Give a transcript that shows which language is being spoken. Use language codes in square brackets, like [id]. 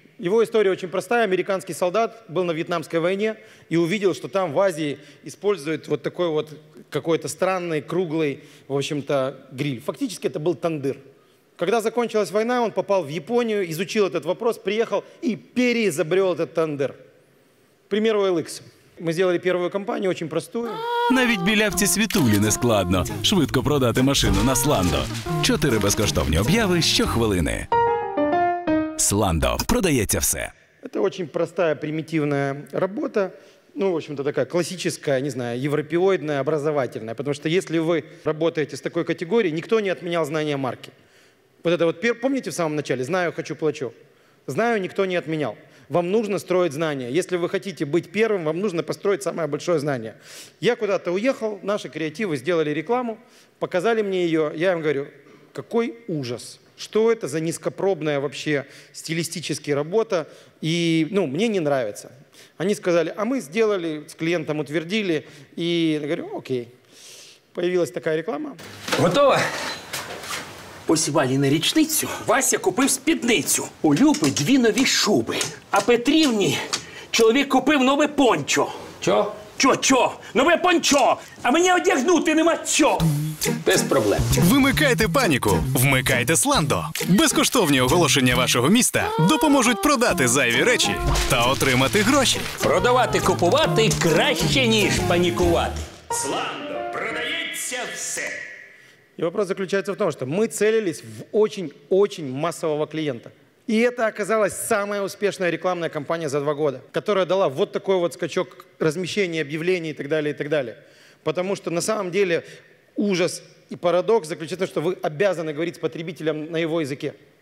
[ru] Его история очень простая. Американский солдат был на Вьетнамской войне и увидел, что там в Азии используют вот такой вот какой-то странный, круглый, в общем-то, гриль. Фактически это был тандыр. Когда закончилась война, он попал в Японию, изучил этот вопрос, приехал и переизобрел этот тандыр. К примеру, OLX. Мы сделали первую компанию, очень простую. [uk] Навіть білявці світулі не складно. Швидко продати машину на Сландо. Чотири безкоштовні об'яви щохвилини. Сландо. Продається все. [ru] Это очень простая, примитивная работа. Ну, в общем-то, такая классическая, не знаю, европеоидная, образовательная. Потому что если вы работаете с такой категорией, никто не отменял знания марки. Вот это вот, помните в самом начале? Знаю, хочу, плачу. Знаю, никто не отменял. Вам нужно строить знания. Если вы хотите быть первым, вам нужно построить самое большое знание. Я куда-то уехал, наши креативы сделали рекламу, показали мне ее. Я им говорю, какой ужас. Что это за низкопробная вообще стилистическая работа? И, ну, мне не нравится. Они сказали, а мы сделали, с клиентом утвердили. И я говорю, окей. Появилась такая реклама. [uk] Готово? Ось Валі на річницю Вася купив спідницю. У Люби дві нові шуби. А Петрівні чоловік купив нове пончо. Чо? Чо-чо? Нове пончо! А мені одягнути нема чо! Без проблем. Вимикайте паніку, вмикайте Сландо. Безкоштовні оголошення вашого міста допоможуть продати зайві речі та отримати гроші. Продавати, купувати краще, ніж панікувати. Сландо, продається все. [ru] И вопрос заключается в том, что мы целились в очень-очень массового клиента. И это оказалась самая успешная рекламная кампания за 2 года, которая дала вот такой вот скачок размещения объявлений и так далее, и так далее. Потому что на самом деле ужас и парадокс заключается в том, что вы обязаны говорить с потребителем на его языке.